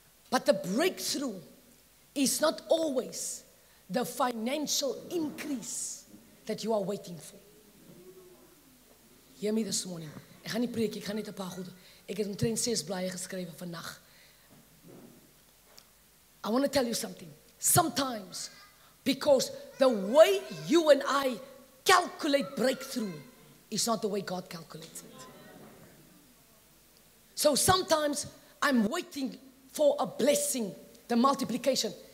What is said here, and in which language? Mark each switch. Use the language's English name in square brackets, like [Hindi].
[English] But the breakthrough is not always the financial increase that you are waiting for. Hear me this morning. [Afrikaans] Ek gaan nie preek, ek gaan net 'n paar goed. Ek het omtrent 6 blaaie geskrywe vannag. [English] I want to tell you something. Sometimes, because the way you and I calculate breakthrough is not the way God calculates it. So sometimes I'm waiting for a blessing, the multiplication.